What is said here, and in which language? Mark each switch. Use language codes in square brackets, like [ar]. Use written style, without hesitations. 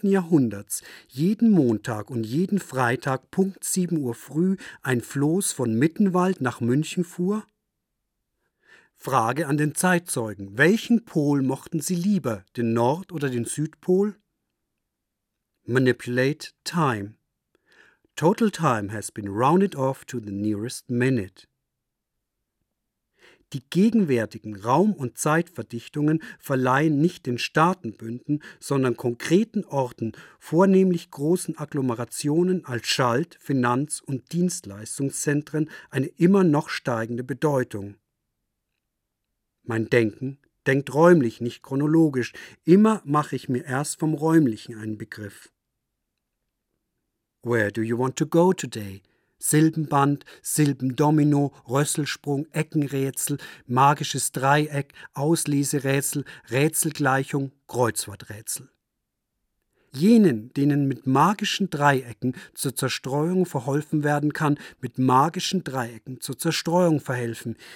[de] Jahrhunderts jeden Montag und jeden Freitag punkt 7 Uhr früh ein Floß von Mittenwald nach München fuhr? Frage an den Zeitzeugen: Welchen Pol mochten Sie lieber, den Nord- oder den Südpol? [en] Manipulate time. Total time has been rounded off to the nearest minute. [de] Die gegenwärtigen Raum- und Zeitverdichtungen verleihen nicht den Staatenbünden, sondern konkreten Orten, vornehmlich großen Agglomerationen als Schalt-, Finanz- und Dienstleistungszentren eine immer noch steigende Bedeutung. Mein Denken denkt räumlich, nicht chronologisch. Immer mache ich mir erst vom Räumlichen einen Begriff. [en] Where do you want to go today? [de] Silbenband, Silbendomino, Rösselsprung, Eckenrätsel, magisches Dreieck, Ausleserätsel, Rätselgleichung, Kreuzworträtsel. Jenen, denen mit magischen Dreiecken zur Zerstreuung verholfen werden kann, mit magischen Dreiecken zur Zerstreuung verhelfen.